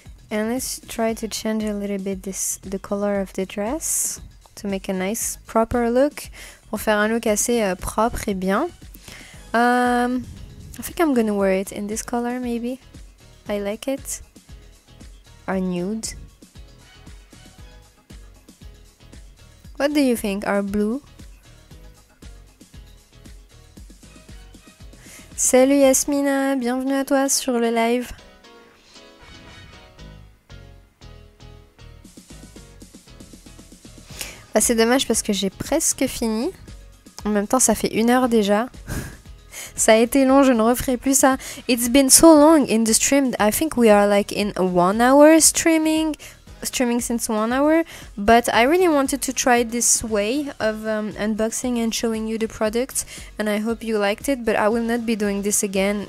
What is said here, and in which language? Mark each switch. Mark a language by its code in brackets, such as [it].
[en] And let's try to change a little bit this, the color of the dress to make a nice proper look. [fr] Pour faire un look assez propre et bien. [en] I think I'm gonna wear it in this color maybe. I like it. Or nude. What do you think are blue? [fr] Salut Yasmina, bienvenue à toi sur le live. Ah, c'est dommage parce que j'ai presque fini. En même temps, ça fait une heure déjà. Ça a été long, je ne referai plus ça. [en] It's been so long in the stream. I think we are like in a 1 hour streaming. Streaming since 1 hour. But I really wanted to try this way of unboxing and showing you the product. And I hope you liked it. But I will not be doing this again.